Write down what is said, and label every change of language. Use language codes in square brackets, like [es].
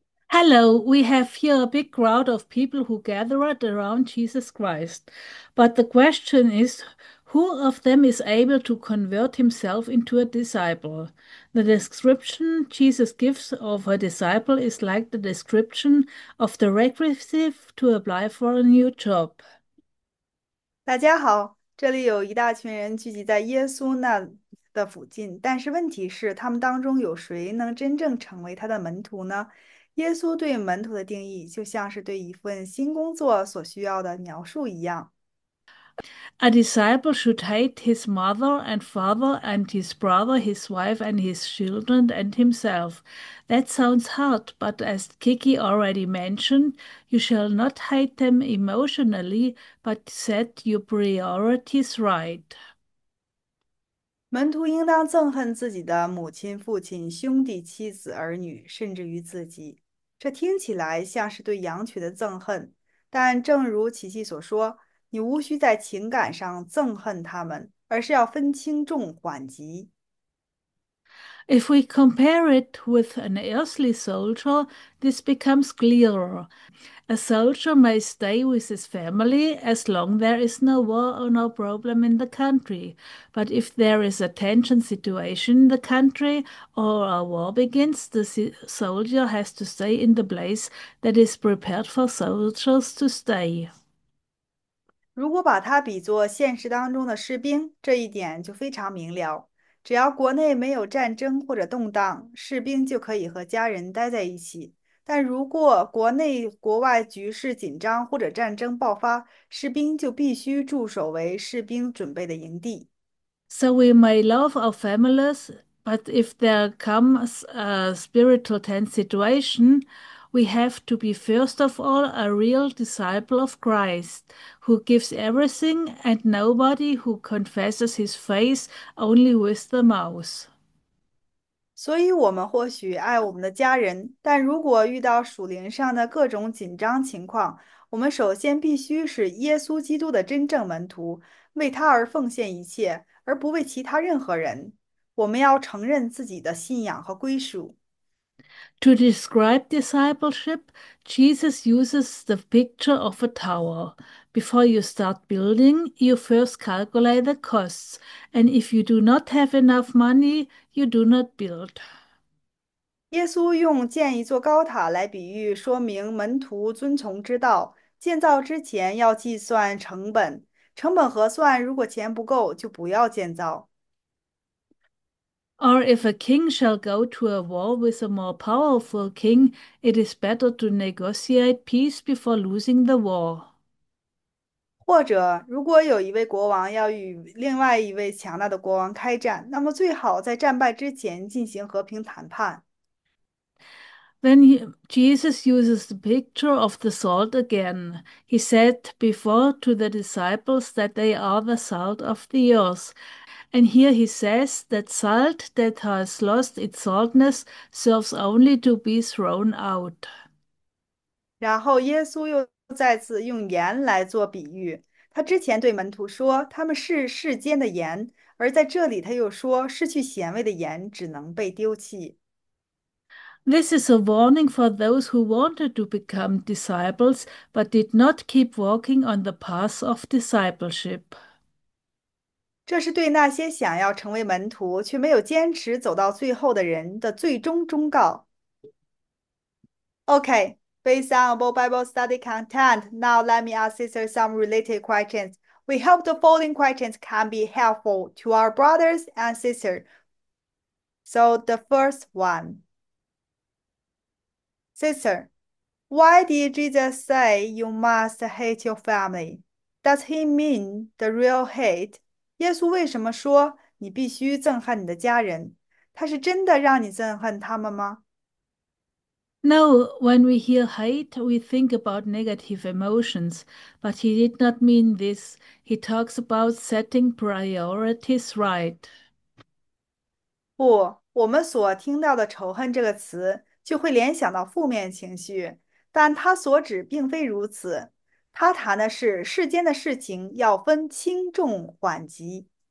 [en] Hello, we have here a big crowd of people who gathered around Jesus Christ. But the question is, who of them is able to convert himself into a disciple? The description Jesus gives of a disciple is like the description of the requisite to apply for a new job. [zh] 大家好，这里有一大群人聚集在耶稣那的附近，但是问题是，他们当中有谁能真正成为他的门徒呢？耶稣对门徒的定义就像是对一份新工作所需要的描述一样。 [en] A disciple should hate his mother and father and his brother, his wife and his children and himself. That sounds hard, but as Kiki already mentioned, you shall not hate them emotionally, but set your priorities right. [zh] 门徒应当憎恨自己的母亲、父亲、兄弟、妻子、儿女，甚至于自己。这听起来像是对羊群的憎恨，但正如琪琪所说，你无需在情感上憎恨他们，而是要分轻重缓急。 [en] If we compare it with an earthly soldier, this becomes clearer. A soldier may stay with his family as long as there is no war or no problem in the country. But if there is a tension situation in the country or a war begins, the soldier has to stay in the place that is prepared for soldiers to stay. [zh] 如果把它比作现实当中的士兵，这一点就非常明了。只要国内没有战争或者动荡，士兵就可以和家人待在一起。但如果国内国外局势紧张或者战争爆发，士兵就必须驻守为士兵准备的营地。 [en] So we may love our families, but if there comes a spiritual tense situation, we have to be first of all a real disciple of Christ who gives everything and nobody who confesses his faith only with the mouth. [zh] 所以，我们或许爱我们的家人，但如果遇到属灵上的各种紧张情况，我们首先必须是耶稣基督的真正门徒，为他而奉献一切，而不为其他任何人。我们要承认自己的信仰和归属。 [en] To describe discipleship, Jesus uses the picture of a tower. Before you start building, you first calculate the costs, and if you do not have enough money, you do not build. [zh] 耶稣用建一座高塔来比喻，说明门徒遵从之道。建造之前要计算成本，成本核算，如果钱不够，就不要建造。 [en] Or if a king shall go to a war with a more powerful king, it is better to negotiate peace before losing the war. [zh] 或者，如果有一位国王要与另外一位强大的国王开战，那么最好在战败之前进行和平谈判。 [en] Then Jesus uses the picture of the salt again. He said before to the disciples that they are the salt of the earth. And here he says that salt that has lost its saltness serves only to be thrown out. [zh] 然后耶稣又再次用盐来做比喻。他之前对门徒说，他们是世间的盐，而在这里他又说，失去咸味的盐只能被丢弃。 [en] This is a warning for those who wanted to become disciples but did not keep walking on the path of discipleship. [zh] 这是对那些想要成为门徒却没有坚持走到最后的人的最终忠告。 [en] OK, based on both Bible study content, now let me ask sister some related questions. We hope the following questions can be helpful to our brothers and sisters. So the first one. Sister, why did Jesus say you must hate your family? Does he mean the real hate? [zh] 耶稣为什么说你必须憎恨你的家人？他是真的让你憎恨他们吗？ [en] No, when we hear hate, we think about negative emotions, but he did not mean this. He talks about setting priorities right. [zh] 不，我们所听到的"仇恨"这个词就会联想到负面情绪，但他所指并非如此。他谈的是世间的事情要分轻重缓急。